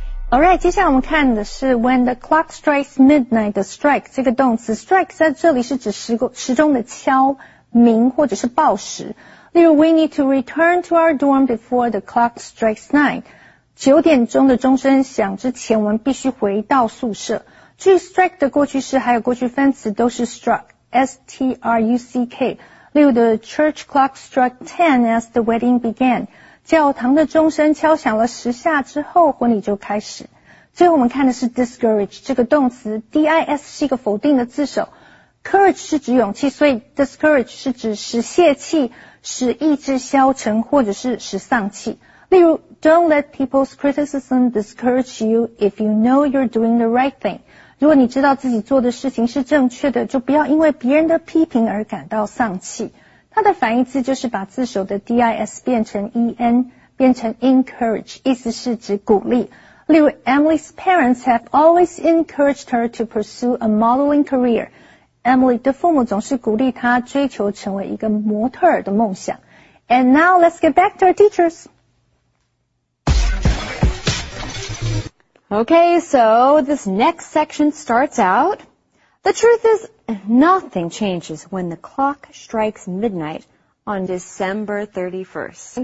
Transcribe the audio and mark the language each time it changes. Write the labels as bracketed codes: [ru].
[en] All right, [zh] 接下来我们看的是 [en] when the clock strikes midnight, the strike, [zh] 这个动词 strike 在这里是指时钟的敲鸣或者是报时。例如 [en] we need to return to our dorm before the clock strikes nine. [zh] 九点钟的钟声响之前我们必须回到宿舍。至于 strike 的过去式还有过去分词都是 struck, S-T-R-U-C-K. 例如 [en] the church clock struck ten as the wedding began. [zh] 教堂的钟声敲响了十下之后婚礼就开始。最后我们看的是 discourage, 这个动词 D-I-S 是一个否定的字首。 Courage 是指勇气，所以 discourage 是指使泄气，使意志消沉，或者是使丧气。例如 [en] Don't let people's criticism discourage you if you know you're doing the right thing. [zh] 如果你知道自己做的事情是正确的，就不要因为别人的批评而感到丧气。它的反义词就是把字首的 D-I-S 变成 E-N, 变成 encourage, 意思是指鼓励。例如 [en] Emily's parents have always encouraged her to pursue a modeling career. [zh] Emily 的父母总是鼓励她追求成为一个模特儿的梦想。 [en] And now let's get back to our teachers. Okay, so this next section starts out, The truth is, nothing changes when the clock strikes midnight on December 31st.